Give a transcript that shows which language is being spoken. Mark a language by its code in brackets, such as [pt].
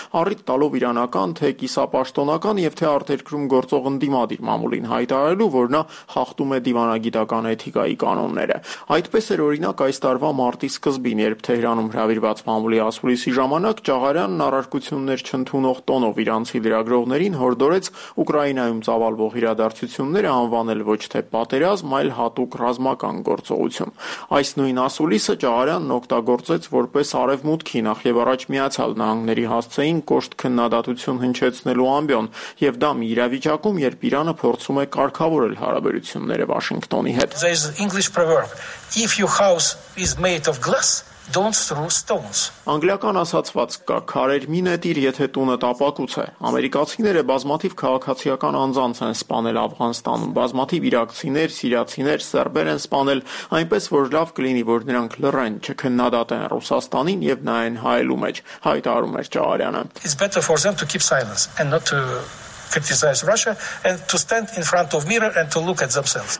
[hy] առիթ տալով իրանական թե կիսապաշտոնական և թե արտերկրում գործող ընդդիմադիր մամուլին հայտարարել, որ նա խախտում է դիվանագիտական էթիկայի կանոնները։ Այդպես էր օրինակ այս տարվա մարտի սկզբին, երբ Թեհրանում հրավիրված մամուլի ասուլիսի ժամանակ Ճաղարյանն առարկություններ չընդունող տոնով իրանցի լրագրողներին հորդորեց Ուկրաինայում ծավալվող իրադարձությունները անվանել ոչ թե պատերազմ, այլ հատուկ ռազմական գործողություն։ Այս նույն ասուլիսը Ճաղարյանն օգտագործեց որպես արևմուտքի նախ և առաջ Միացյալ Նահանգների հասցեին կոշտ քննադատություն հնչեցնելու ամբյոն, և դա մի իրավիճակում, երբ Իրանը փորձում է կարգավորել հարաբերությունները Վաշինգտոնի հետ։ [en] There is English proverb, if your house is made of glass, Don't throw stones. [hy] Անգլիական ասացված կա. Քարեր մի նետիր, եթե տունը տապակուց է։ Ամերիկացիները բազմաթիվ քաղաքացիական անձանց են սպանել Աֆղանստանում, բազմաթիվ իրաքցիներ, սիրացիներ, սերբեր են սպանել, այնպես որ լավ կլինի, որ նրանք լռեն, չքննադատեն Ռուսաստանին և նայեն հայելու մեջ, հայտարարում էր Ճահարյանը։ [en] It's better for them to keep silence and not to criticize Russia and to stand in front of mirror and to look at themselves.